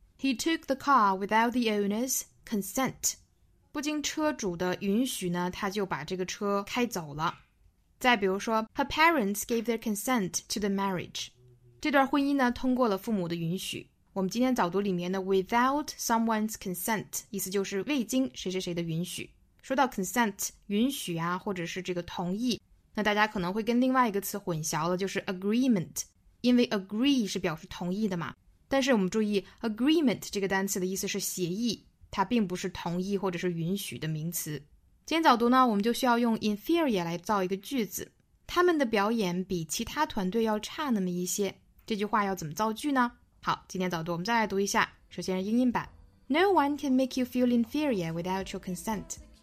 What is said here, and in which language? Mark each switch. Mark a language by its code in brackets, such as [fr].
[en] He took the car without the owner's consent. [zh] 不经车主的允许呢，他就把这个车开走了。再比如说 [en] Her parents gave their consent to the marriage. [zh] 这段婚姻呢通过了父母的允许。我们今天早读里面的 without someone's consent 意思就是未经谁谁谁的允许。说到 consent 允许啊，或者是这个同意，那大家可能会跟另外一个词混淆了，就是 agreement， 因为 agree 是表示同意的嘛。但是我们注意 agreement 这个单词的意思是协议，它并不是同意或者是允许的名词。今天早读呢，我们就需要用 inferior 来造一个句子。他们的表演比其他团队要差那么一些。这句话要怎么造句呢？好，今天早读我们再来读一下。首先是英音版。 [en] No one can make you feel inferior without your consent.